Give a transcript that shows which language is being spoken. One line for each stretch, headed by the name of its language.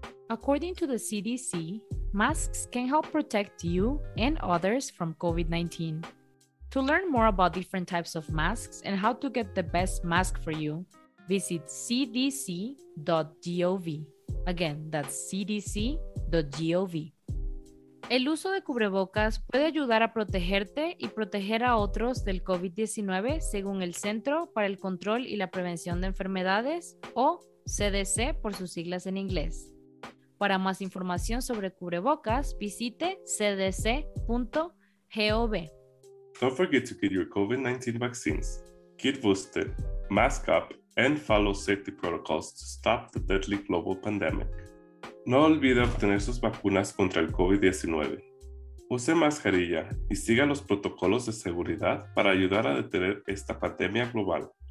English: According to the CDC, masks can help protect you and others from COVID-19. To learn more about different types of masks and how to get the best mask for you, visit cdc.gov. Again, that's cdc.gov.
Spanish: El uso de cubrebocas puede ayudar a protegerte y proteger a otros del COVID-19 según el Centro para el Control y la Prevención de Enfermedades, o CDC por sus siglas en inglés. Para más información sobre cubrebocas, visite cdc.gov.
English: Don't forget to get your COVID-19 vaccines, get boosted, mask up, and follow safety protocols to stop the deadly global pandemic.
Spanish: No olvide obtener sus vacunas contra el COVID-19. Use mascarilla y siga los protocolos de seguridad para ayudar a detener esta pandemia global.